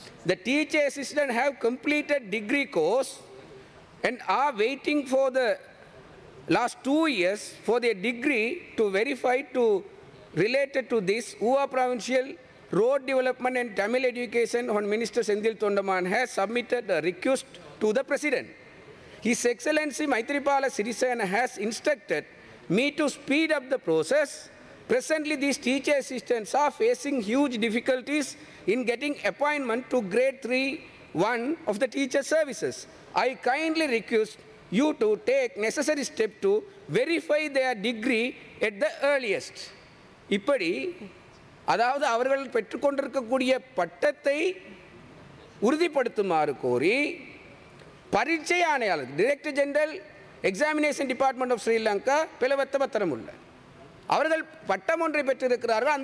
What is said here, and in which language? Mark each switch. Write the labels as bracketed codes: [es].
[en] The teacher assistant have completed degree course and are waiting for the last 2 years for the degree to verify to related to this Uva provincial road development and Tamil education one minister Senthil Thondaman has submitted request to the president. His Excellency Maitripala Sirisena has instructed me to speed up the process. Presently, these teacher assistants are facing huge difficulties in getting appointment to grade 3-1 of the teacher services. I kindly request you to take necessary step to verify their degree at the earliest. [ta] இப்படி அதாவது அவர்கள் பெற்றுக்கொண்டிருக்கக்கூடிய பட்டத்தை உறுதிப்படுத்துமாறு கோரி பரீட்சை ஆணையாளர் [en] director general examination department of Sri Lanka [ta] பிளவத்த பத்திரம் உள்ள அவர்கள் பட்டம் ஒன்றை பெற்றிருக்கிறார்கள்.